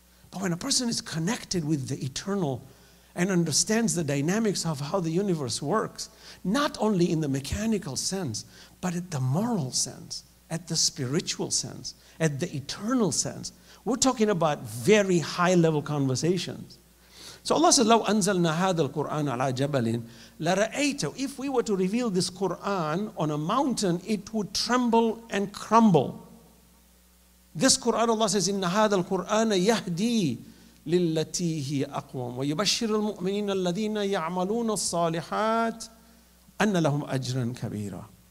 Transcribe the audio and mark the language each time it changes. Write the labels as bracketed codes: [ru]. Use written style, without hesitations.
[en] But when a person is connected with the eternal and understands the dynamics of how the universe works, not only in the mechanical sense, but at the moral sense, at the spiritual sense, at the eternal sense, we're talking about very high-level conversations. So Allah says, [ar] لَوْ أَنزَلْنَا هَذَا الْقُرْآنَ عَلَىٰ جَبَلٍ لَرَأَيْتَ. [en] If we were to reveal this Qur'an on a mountain, it would tremble and crumble. This Qur'an, Allah says, [ar] إِنَّ هَذَا الْقُرْآنَ يَهْدِي لِلَّتِي هِيَ أَقْوَمُ وَيُبَشِّرُ الْمُؤْمِنِينَ الَّذِينَ يَعْمَلُونَ الصَّالِحَاتِ أَنَّ لَهُمْ أَجْرًا كَبِيرًا.